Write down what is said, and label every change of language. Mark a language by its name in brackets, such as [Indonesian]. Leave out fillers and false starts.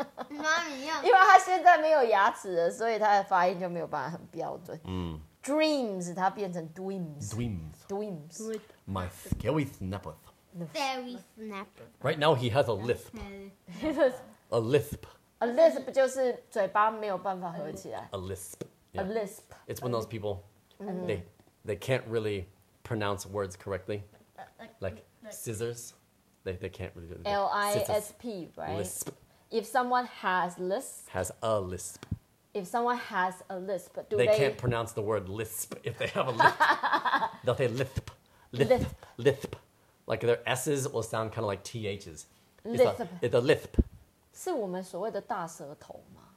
[Chinese] 因为他现在没有牙齿了，所以他的发音就没有办法很标准。Dreams, 它变成 dreams. [English] Dreams. Dreams. My scary snappers. Very snapper. Right now he has a lisp. A lisp. [Chinese] A lisp 就是嘴巴没有办法合起来。 [English] A lisp. Yeah. A lisp. It's when those people, mm-hmm. they can't really pronounce words correctly. Like scissors. They can't really do it. L-I-S-P, right? Lisp. If someone has lisp. Has a lisp. If someone has a lisp, do they... They can't pronounce the word lisp if they have a lisp. They'll say lisp. Lisp. Lisp. Lisp. Like their S's will sound kind of like T-H's. It's a lisp. [Chinese] 是我们所谓的大舌头吗?